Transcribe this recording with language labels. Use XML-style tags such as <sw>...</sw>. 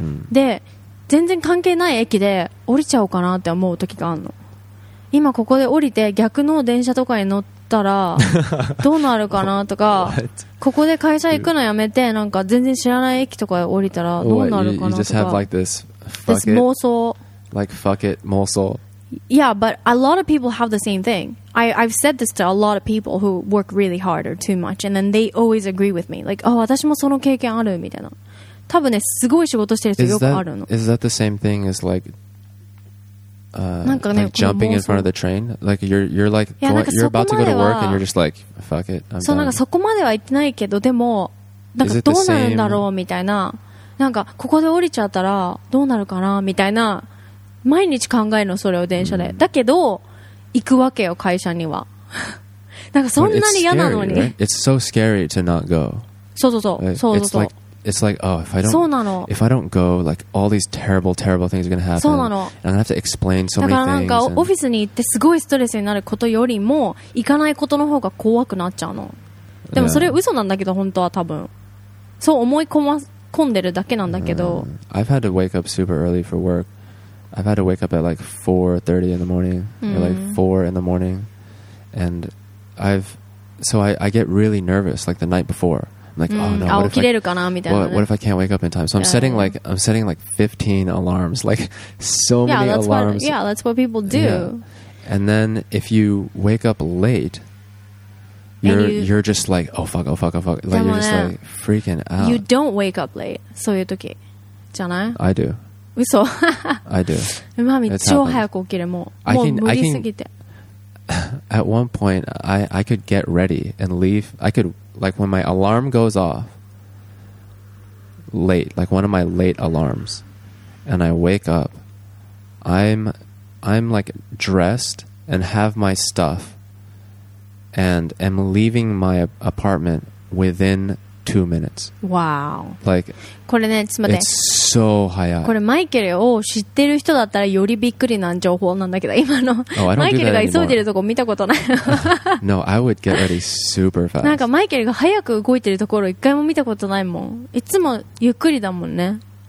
<ja>で全然関係ない駅で降りちゃおうかなって思う時があるの。今ここで降りて逆の電車とかに乗ったらどうなるかなとか、ここで会社行くのやめてなんか全然知らない駅とかで降りたらどうなるかなとか。</ja> <en>You just have like this, fuck this it.</en> <ja>妄想。</ja> <en>Like fuck it, 妄想。 Yeah, but a lot of people have the same thing. I've said this to a lot of people who work really hard or too much, and then they always agree with me.</en> <ja>Like, oh, 私もその経験あるみたいな。多分ね、すごい仕事してる人よくあるの。</ja> <en>Is that the same thing as like,</en> <ja>なんかね、</ja> <en>like jumping in front of the train? Like you're like you're about to go to work and you're just like fuck it.</en> <ja>そうなんかそこまでは行ってないけど、でもなんかどうなるんだろうみたいな、なんかここで降りちゃったらどうなるかなみたいな、毎日考えるのそれを電車で。だけど行くわけよ会社には。なんかそんなに嫌なのに。</ja> <en>It's so scary to not go.</en> <ja>そうそうそう。そうそうそう。</ja> <en>It's like, oh, if I don't go, like all these terrible, terrible things are gonna happen.</en> <ja>そうなの。</ja> <en>And I'm gonna have to explain so many things.</en> <ja>だからなんかオフィスに行ってすごいストレスになることよりも行かないことの方が怖くなっちゃうの。でもそれ嘘なんだけど本当は多分。そう思い込んでるだけなんだけど。</ja> <en>I've had to wake up super early for work. I've had to wake up at like 4:30 in the morning, or like 4 in the morning. And I get really nervous like the night before. Like, oh no, what if I can't wake up in time? So I'm setting like 15 alarms, like so many alarms. That's what people do. Yeah. And then if you wake up late, you're just like, oh fuck, oh fuck, oh fuck. Like you're just like freaking out. You don't wake up late.</en> <ja>そういう時じゃない?</ja> <en>I do.</en> <ja>嘘?</ja> <en>I do.</en> <ja>Mami, 超早く起きる。もう無理すぎて。</ja> <en>At one point, I could get ready and leave. I could, like, when my alarm goes off late, like one of my late alarms, and I wake up, I'm like dressed and have my stuff and am leaving my apartment within 2 minutes. Wow. Like,</en> <ja>これね、つまり。</ja> <en>It's so 早い。</en> <ja>これマイケルを知ってる人だったらよりびっくりな情報なんだけど、今の。マイケルが急いでるとこ見たことない。</ja> <en>No, I would get ready super fast.</en> <ja>なんかマイケルが早く動いてるところ一回も見たことないもん。いつもゆっくりだもんね。</ja>